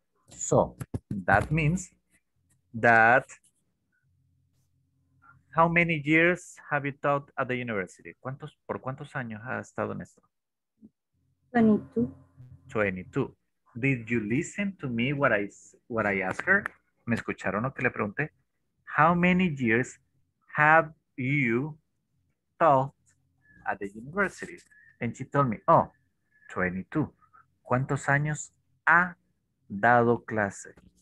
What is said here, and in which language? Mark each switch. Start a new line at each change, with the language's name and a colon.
English: So, that means that how many years have you taught at the university?
Spanish: ¿Cuántos, por cuántos años has estado en esto? 22. 22.
English: Did you listen to me what I asked her?
Spanish: ¿Me escucharon lo que le pregunté?
English: How many years have you taught at the university? And she told me, oh, 22.
Spanish: ¿Cuántos años ha dado clase?